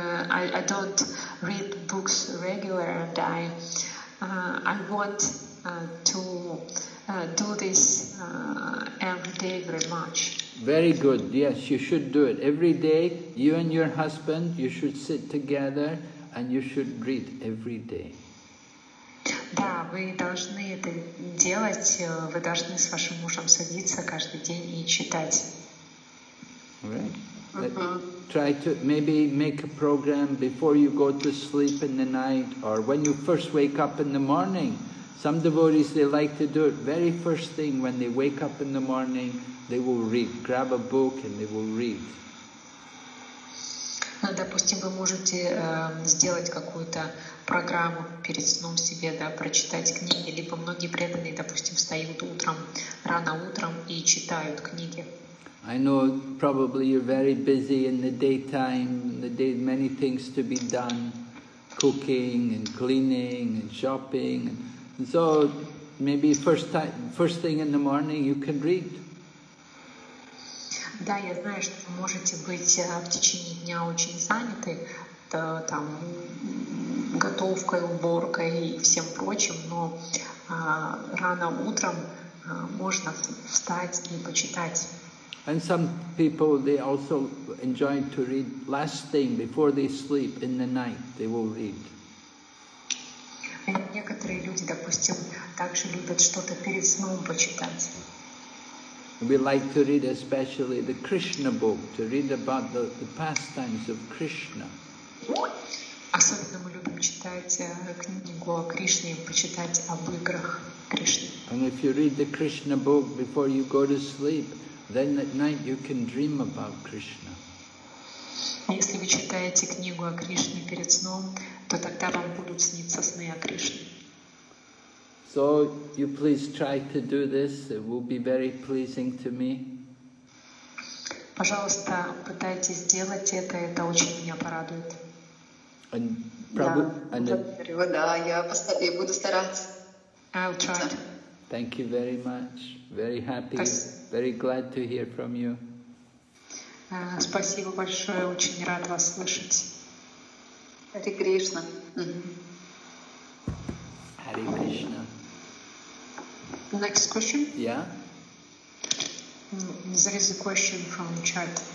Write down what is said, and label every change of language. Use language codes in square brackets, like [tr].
[en] I don't read books regularly, and I want to do this every day very much. Very good. Yes, you should do it every day. You and your husband, you should sit together and you should read every day. [ru] Да, вы должны это делать. Вы должны с вашим мужем садиться каждый день и читать. [en] Right. Try to maybe make a program before you go to sleep in the night or when you first wake up in the morning. Some devotees, they like to do it very first thing when they wake up in the morning, they will read. Grab a book and they will read. [ru] Допустим, вы можете сделать какую-то программу перед сном себе, да, прочитать книги. Либо многие преданные, допустим, встают утром, рано утром и читают книги. [en] I know probably you're very busy in the daytime, many things to be done, cooking and cleaning and shopping. And so maybe first thing in the morning you can read. [ru] Да, я знаю, что вы можете быть в течение дня очень заняты, там готовкой, уборкой и всем прочим, но рано утром можно встать и почитать. [en] And some people, they also enjoy to read last thing before they sleep in the night, they will read. [ru] Некоторые люди, допустим, также любят что-то перед сном почитать. [en] We like to read especially the Krishna book, to read about the pastimes of Krishna. [ru] Особенно мы любим читать книгу о Кришне, почитать об играх Кришны. [en] And if you read the Krishna book before you go to sleep, then at night you can dream about Krishna. [ru] Если вы читаете книгу о Кришне перед сном, то тогда вам будут сниться сны о Кришне. [en] So you please try to do this. It will be very pleasing to me. [ru] Пожалуйста, пытайтесь сделать это. Это очень меня порадует. [en] And [ru] я буду стараться. [en] I'll try. Thank you very much. Very happy. Very glad to hear from you. [ru] Спасибо большое, очень рад вас слышать. Хари Кришна. Хари Кришна. [en] Next question? Yeah. There is a question from chat.